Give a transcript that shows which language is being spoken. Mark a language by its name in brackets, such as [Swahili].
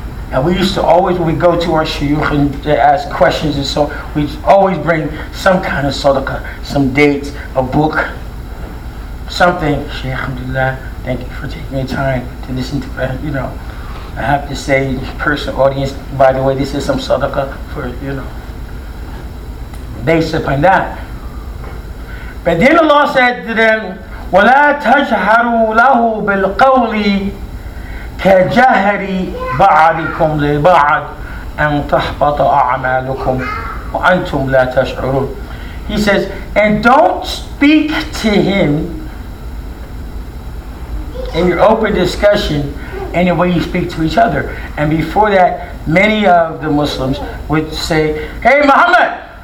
[English] And we used to always, when we go to our shuyukh and ask questions and so on, we always bring some kind of sadaqah, some dates, a book, something. Shaykh, alhamdulillah, thank you for taking the time to listen to, you know, I have to say, personal audience, by the way, this is some sadaqah for, you know, based upon that. But then Allah said to them, [Arabic] وَلَا تَجْهَرُوا لَهُ بِالْقَوْلِ كَجَهْرِ بَعْدِكُمْ لِبَعْدِ أَن تَحْبَطَ أَعْمَالُكُمْ وَأَنْتُمْ لَا تَشْعُرُونَ. [English] He says, and don't speak to him in your open discussion any way you speak to each other. And before that, many of the Muslims would say, hey Muhammad!